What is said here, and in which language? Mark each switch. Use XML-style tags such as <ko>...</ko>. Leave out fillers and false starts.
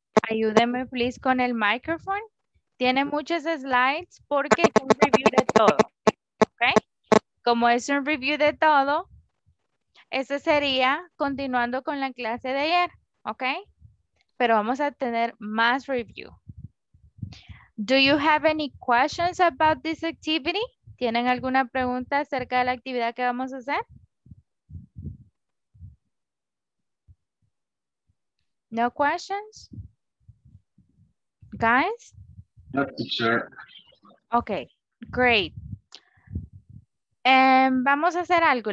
<es>Ayúdenme, please, con el micrófono. Tiene muchas slides porque es un review de todo, ¿ok? Como es un review de todo, ese sería continuando con la clase de ayer, ¿ok? Pero vamos a tener más review.</es> <en>Do you have any questions about this activity?</en> <es>¿Tienen alguna pregunta acerca de la actividad que vamos a hacer?</es> <en>No questions? Guys? No, teacher. Okay, great.</en> <es>Vamos a hacer algo.</es>